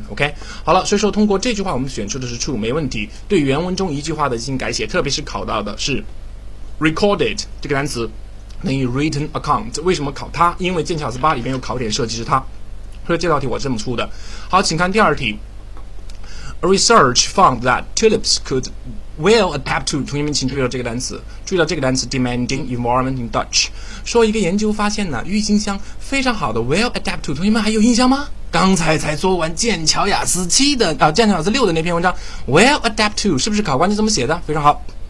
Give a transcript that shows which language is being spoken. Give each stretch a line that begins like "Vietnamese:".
Chinese: OK， 好了，所以说通过这句话，我们选出的是 true， 没问题。对原文中一句话的进行改写，特别是考到的是 recorded 这个单词等于 written account， 为什么考它？因为剑桥48里面有考点涉及是它，所以这道题我是这么出的。好，请看第二题。
English: Research found that tulips could well adapt to.
Chinese: 同学们请注意到这个单词，注意到这个单词
English: demanding environment in Dutch.
Chinese: 说一个研究发现呢，郁金香非常好的
English: well adapt to.
Chinese: 同学们还有印象吗？刚才做完剑桥雅思七的啊，剑桥雅思六的那篇文章
English: well adapt to
Chinese: 是不是考官就这么写的？非常好。